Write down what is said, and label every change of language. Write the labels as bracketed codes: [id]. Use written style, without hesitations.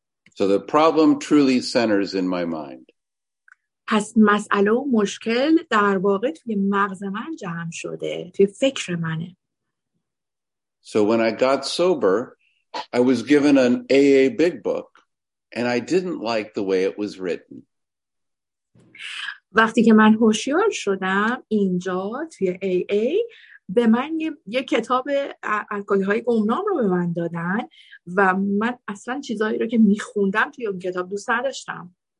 [en] So the problem truly centers in my mind. [fa] پس مسئله و مشکل در واقع توی مغز من جمع شده، توی فکر منه. [en] So when I got sober, I was given an AA big book, and I didn't like the way it was written. [fa] وقتی که من هوشیار شدم اینجا توی AA به من یه کتاب الکلی‌های گمنام رو به من دادن و من اصلا چیزایی رو که می‌خوندم توی اون کتاب دوست نداشتم.